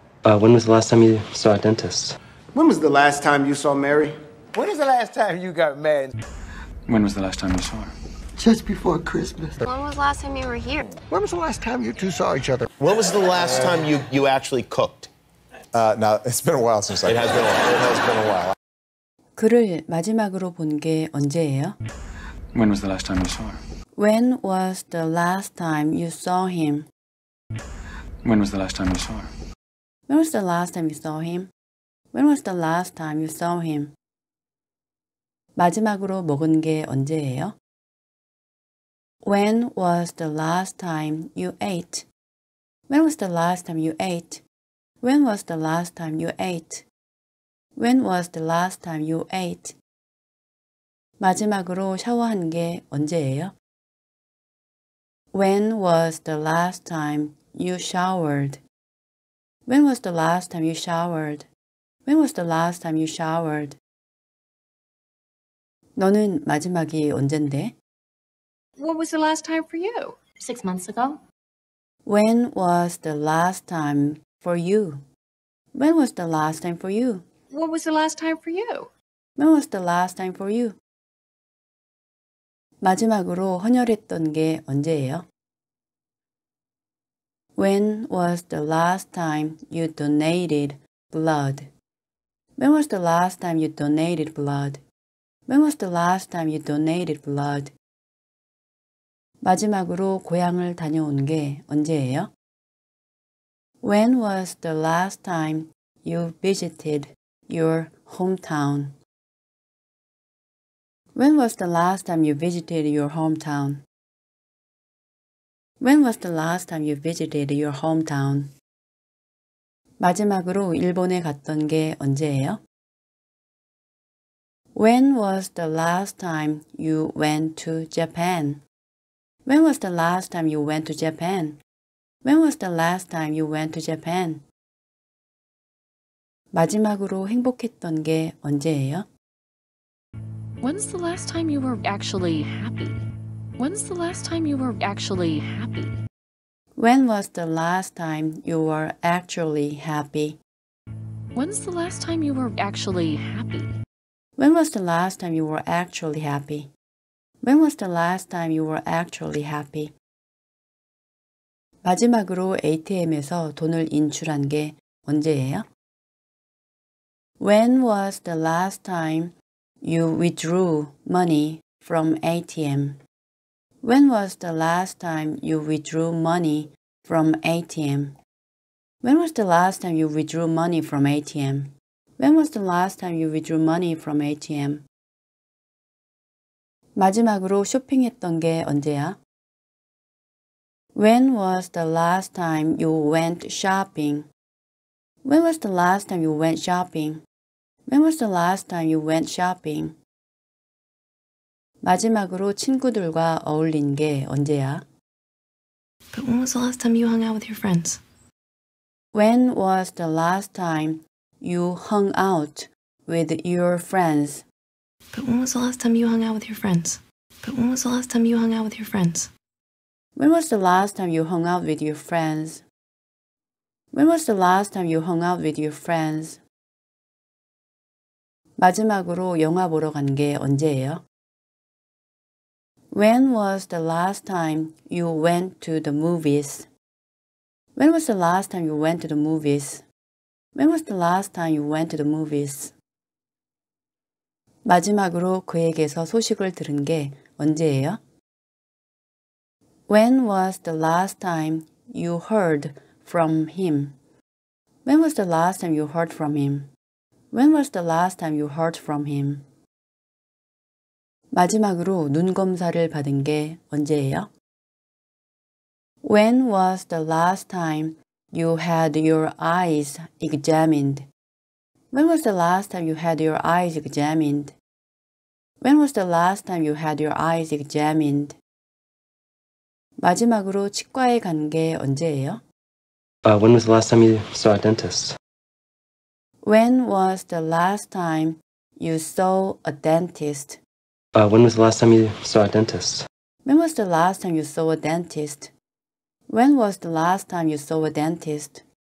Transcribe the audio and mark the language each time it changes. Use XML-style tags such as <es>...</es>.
<en>When was the last time you saw a dentist? When was the last time you saw Mary? When was the last time you got mad? When was the last time you saw her? Just before Christmas. When was the last time you were here? When was the last time you two saw each other? When was the last time you actually cooked? It's been a while since I... It has been a while. It has been a while.</en> <ko>그를 마지막으로 본 게 언제예요?</ko> <en>When was the last time you saw her? When was the last time you saw him? When was the last time you saw her? When was the last time you saw him? When was the last time you saw him?</en> <ko>마지막으로 먹은 게 언제예요?</ko> <en>When was the last time you ate? When was the last time you ate? When was the last time you ate? When was the last time you ate?</en> <ko>마지막으로 샤워한 게 언제예요?</ko> <en>When was the last time you showered? When was the last time you showered? When was the last time you showered?</en> <ko>너는 마지막이 언젠데?</ko> <en>What was the last time for you? 6 months ago. When was the last time for you? When was the last time for you? What was the last time for you? When was the last time for you?</en> <ko>마지막으로 헌혈했던 게 언제예요?</ko> <en>When was the last time you donated blood? When was the last time you donated blood? When was the last time you donated blood?</en> <ko>마지막으로 고향을 다녀온 게 언제예요?</ko> <en>When was the last time you visited your hometown? When was the last time you visited your hometown? When was the last time you visited your hometown?</en> <ko>마지막으로 일본에 갔던 게 언제예요?</ko> <en>When was the last time you went to Japan? When was the last time you went to Japan? When was the last time you went to Japan?</en> <ko>마지막으로 행복했던 게 언제예요?</ko> <en>When's the last time you were actually happy? When's the last time you were actually happy? When was the last time you were actually happy? When's the last time you were actually happy? When was the last time you were actually happy? When was the last time you were actually happy?</en> <ko>마지막으로 ATM에서 돈을 인출한 게 언제예요?</ko> <en>When was the last time you withdrew money from ATM? When was the last time you withdrew money from ATM? When was the last time you withdrew money from ATM? When was the last time you withdrew money from ATM?</en> <ko>마지막으로 쇼핑했던 게 언제야?</ko> <en>When was the last time you went shopping? When was the last time you went shopping? When was the last time you went shopping?</en> <ko>마지막으로 친구들과 어울린 게 언제야?</ko> <en>But when was the last time you hung out with your friends? When was the last time you hung out with your friends? But when was the last time you hung out with your friends? But when was the last time you hung out with your friends? When was the last time you hung out with your friends? When was the last time you hung out with your friends?</en> <ko>마지막으로 영화 보러 간 게 언제예요?</ko> <en>When was the last time you went to the movies? When was the last time you went to the movies? When was the last time you went to the movies?</en> <ko>마지막으로 그에게서 소식을 들은 게 언제예요?</ko> <en>When was the last time you heard from him? When was the last time you heard from him? When was the last time you heard from him?</en> <ko>마지막으로 눈 검사를 받은 게 언제예요?</ko> <en>When was the last time you had your eyes examined? When was the last time you had your eyes examined? When was the last time you had your eyes examined?</en> <ko>마지막으로 치과에 간 게 언제예요?</ko> <en>When was the last time you saw a dentist? When was the last time you saw a dentist? When was the last time you saw a dentist? When was the last time you saw a dentist? When was the last time you saw a dentist?</en>